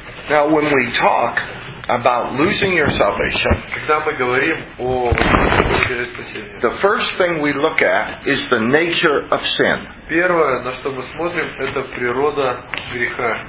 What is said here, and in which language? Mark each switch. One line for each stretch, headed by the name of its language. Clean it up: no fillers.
English: Now, when we talk about losing your salvation,
Russian: когда мы говорим о спасении,
English: the first thing we look at is the nature of sin.
Russian: Первое, на что мы смотрим, это природа греха.